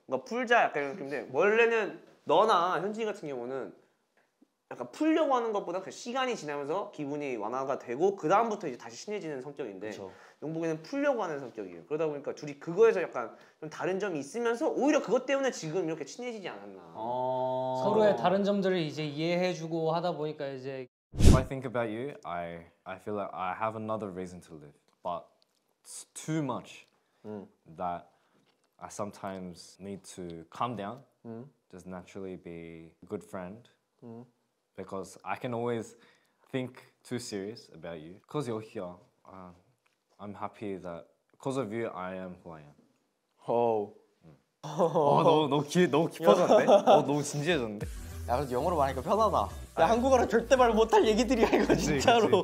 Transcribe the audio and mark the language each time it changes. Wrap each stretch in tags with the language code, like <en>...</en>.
<ko>뭔가 풀자 약간 이런 느낌인데 원래는 너나 현진이 같은 경우는 약간 풀려고 하는 것보다 그 시간이 지나면서 기분이 완화가 되고 그 다음부터 이제 다시 친해지는 성격인데 그쵸. 용복이는 풀려고 하는 성격이에요. 그러다 보니까 둘이 그거에서 약간 좀 다른 점이 있으면서 오히려 그것 때문에 지금 이렇게 친해지지 않았나. 서로의 다른 점들을 이제 이해해주고 하다 보니까 이제</ko> <en>If I think about you, I feel like I have another reason to live. But it's too much that I sometimes need to calm down. Just naturally be a good friend. Because I can always think too serious about you. Because you're here, I'm happy that because of you, I am who I am. Oh.</en> <ko>너 깊어졌는데? 너무 진지해졌는데? 야, 그래도 영어로 말하니까 편하다. 야, 한국어로 절대 말 못할 얘기들이야, 이거 그치, 진짜로.</ko>